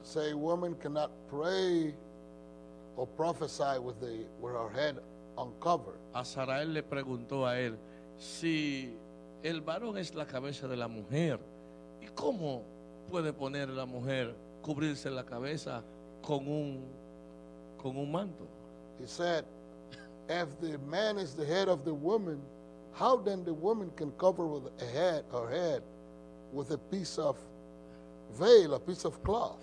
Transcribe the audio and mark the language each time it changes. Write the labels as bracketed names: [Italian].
[English] Say woman cannot pray or prophesy with her head uncovered. [Spanish] Azarael le preguntó a él, si el varón es la cabeza de la mujer, ¿y cómo puede poner la mujer cubrirse la cabeza con un manto? [English] He said, if the man is the head of the woman, how then the woman can cover with a head her head with a piece of veil, a piece of cloth?